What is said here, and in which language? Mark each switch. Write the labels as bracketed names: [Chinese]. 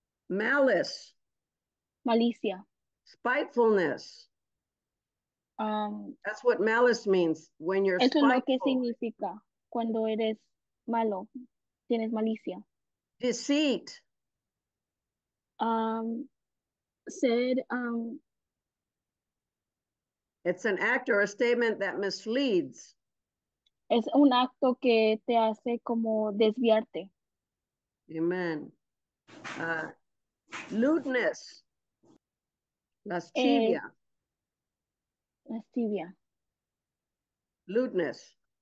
[English] Malice. [Spanish] Malicia. [English] Spitefulness. That's what malice means when you're [Spanish] eso [English] spiteful. [Spanish] Eso es lo que significa cuando eres malo, tienes malicia. [English] Deceit. It's an act or a statement that misleads. [Spanish] Es un acto que te hace como desviarte. [English] Amen. Lewdness. Lascivia. [Spanish] Lascivia. [English] Lewdness.